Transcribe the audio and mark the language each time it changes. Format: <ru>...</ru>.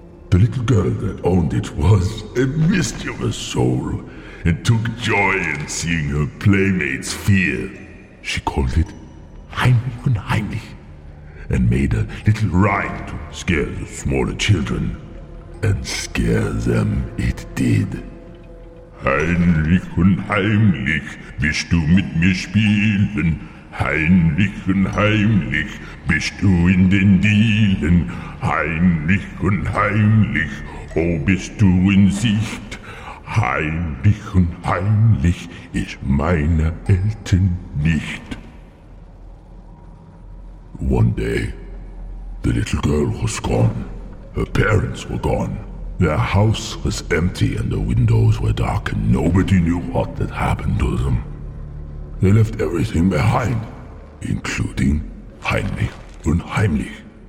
<en>The little girl that owned it was a mischievous soul and took joy in seeing her playmates fear. She called it Heinrich und Heinrich and made a little rhyme to scare the smaller children. And scare them it did.</en> <de>Heinrich und Heinrich, willst du mit mir spielen? Heinrich und Heinrich, bist du in den Dielen? Heinrich und Heinrich, oh, bist du in Sicht? Heinrich und Heinrich ist meine Eltern nicht.</de> <en>One day, the little girl was gone. Her parents were gone. Their house was empty and the windows were dark and nobody knew what had happened to them. They left everything behind, including Heinrich und Heinrich.</en>